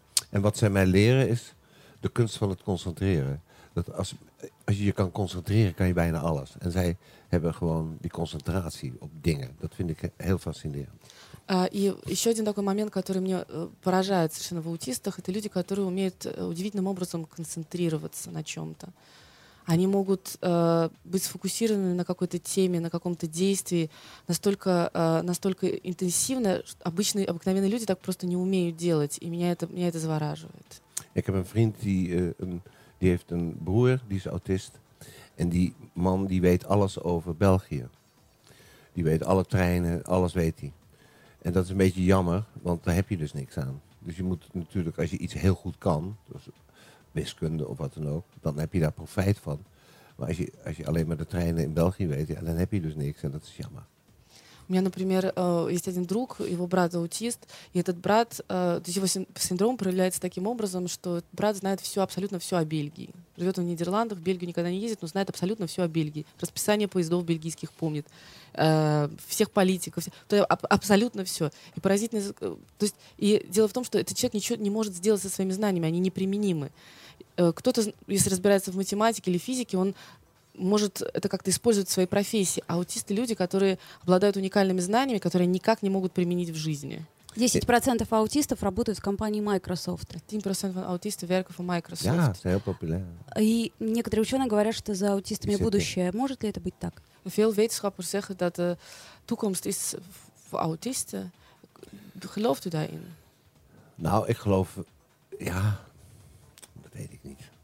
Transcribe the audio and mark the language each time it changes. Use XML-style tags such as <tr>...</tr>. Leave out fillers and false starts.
<nl>En wat zij mij leren is de kunst van het concentreren. Dat als je je kan concentreren, kan je bijna alles. En zij hebben gewoon die concentratie op dingen. Dat vind ik heel fascinerend.</nl> <ru>И еще один такой момент, который мне поражает совершенно в аутистах, это люди, которые умеют удивительным образом концентрироваться на чем-то. Они могут быть сфокусированы на какой-то теме, на каком-то действии настолько интенсивно, что обыкновенные люди так просто не умеют делать. И меня это завораживает.</ru> <nl>Ik heb een vriend die heeft een broer, die is autist. En die man die weet alles over België. Die weet alle treinen, alles weet hij. En dat is een beetje jammer, want daar heb je dus niks aan. Dus je moet natuurlijk, als je iets heel goed kan, dus wiskunde of wat dan ook, dan heb je daar profijt van. Maar als je alleen maar de treinen in België weet, ja, dan heb je dus niks en dat is jammer.</nl> <ru>У меня, например, есть один друг, его брат аутист, и этот брат, то есть его синдром проявляется таким образом, что брат знает все, абсолютно все о Бельгии. Живет он в Нидерландах, в Бельгию никогда не ездит, но знает абсолютно все о Бельгии. Расписание поездов бельгийских помнит, всех политиков, то абсолютно все. И поразительно, то есть, и дело в том, что этот человек ничего не может сделать со своими знаниями, они неприменимы. Кто-то, если разбирается в математике или физике, он может это как-то использовать в своей профессии. Аутисты — люди, которые обладают уникальными знаниями, которые никак не могут применить в жизни. 10% аутистов работают в компании Microsoft.</ru> <en>10% аутистов work for Microsoft.</en> <ru>Да, это очень популярно. И некоторые ученые говорят, что за аутистами будущее. Может ли это быть так?</ru> <nl>Veel wetenschappers zeggen dat de toekomst is voor autisten. Gelooft u daarin? Nou, ik geloof, ja, dat weet ik niet.</nl>